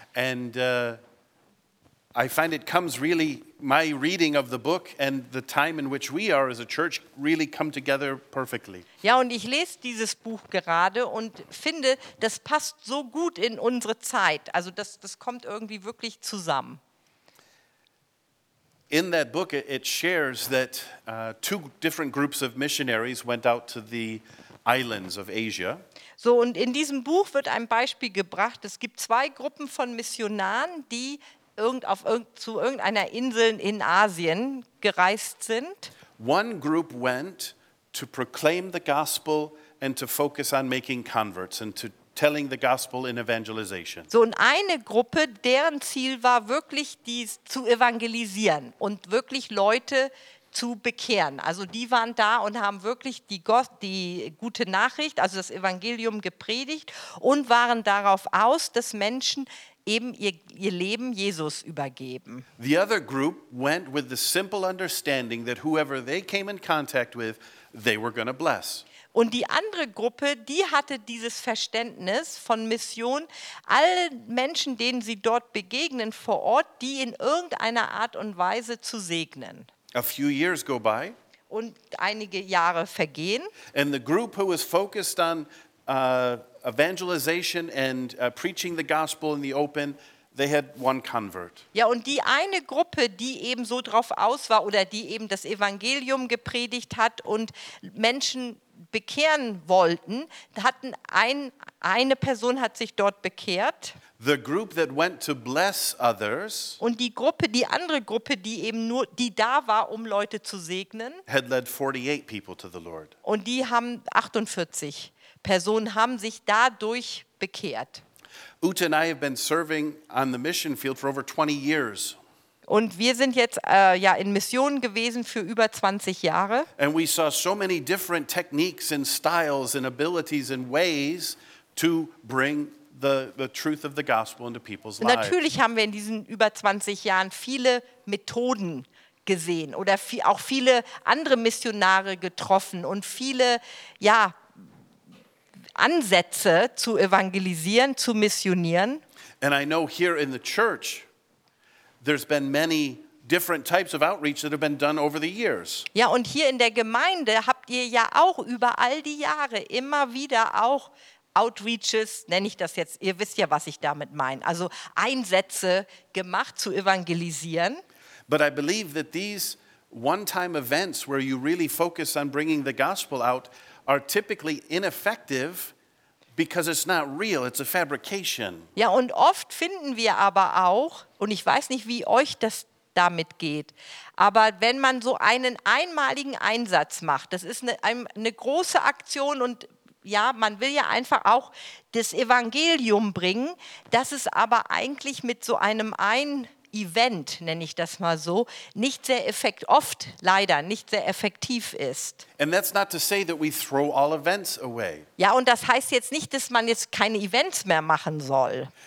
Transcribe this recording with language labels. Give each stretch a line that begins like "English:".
English: And I find it comes really, my reading of the book and the time in which we are as a church really come together perfectly.
German: Ja, und ich lese dieses Buch gerade und finde, das passt so gut in unsere Zeit. Also das kommt irgendwie wirklich zusammen.
English: In that book, it shares that two different groups of missionaries went out to the islands of Asia.
German: So, und in diesem Buch wird ein Beispiel gebracht. Es gibt zwei Gruppen von Missionaren, die zu irgendeiner Insel in Asien gereist sind.
English: One group went to proclaim the gospel and to focus on making converts and to telling the gospel in evangelization.
German: So, und eine Gruppe, deren Ziel war wirklich dies zu evangelisieren und wirklich Leute zu bekehren. Also die waren da und haben wirklich die gute Nachricht, also das Evangelium gepredigt und waren darauf aus, dass Menschen eben ihr Leben Jesus übergeben.
English: The other group went with the simple understanding that whoever they came in contact with, they were going to bless.
German: Und die andere Gruppe, die hatte dieses Verständnis von Mission, alle Menschen, denen sie dort begegnen vor Ort, die in irgendeiner Art und Weise zu segnen.
English: A few years go by.
German: Und einige Jahre vergehen.
English: And the group who was focused on evangelization and preaching the gospel in the open, they had one convert.
German: Ja, und die eine Gruppe, die eben so drauf aus war oder die eben das Evangelium gepredigt hat und Menschen bekehren wollten, hatten eine Person hat sich dort bekehrt.
English: The group that went to bless others.
German: Und die Gruppe, die andere Gruppe, die eben nur die da war, um Leute zu segnen.
English: Had led 48 people to the Lord.
German: Und die haben 48 Personen haben sich dadurch bekehrt.
English: Ute and I have been serving on the mission field for over 20 years.
German: Und wir sind jetzt ja in Missionen gewesen für über 20 Jahre.
English: And we saw so many different techniques and styles and abilities and ways to bring the truth of the gospel into people's lives.
German: Natürlich haben wir in diesen über 20 Jahren viele Methoden gesehen oder auch viele andere Missionare getroffen und viele ja Ansätze zu evangelisieren, zu missionieren.
English: And I know here in the church there's been many different types of outreach that have been done over the years.
German: Ja, und hier in der Gemeinde habt ihr ja auch über all die Jahre immer wieder auch Outreaches, nenne ich das jetzt, ihr wisst ja, was ich damit meine, also Einsätze gemacht zu evangelisieren.
English: But I believe that these one-time events where you really focus on bringing the gospel out are typically ineffective because it's not real, it's a fabrication.
German: Ja, und oft finden wir aber auch, und ich weiß nicht, wie euch das damit geht, aber wenn man so einen einmaligen Einsatz macht, das ist eine große Aktion und ja, man will ja einfach auch das Evangelium bringen, dass es aber eigentlich mit so einem Event, nenne ich das mal so, nicht sehr oft leider nicht sehr effektiv ist.
English: And that's not to say that we throw all events away.
German: Ja, und das heißt jetzt nicht, dass man jetzt keine Events mehr machen soll.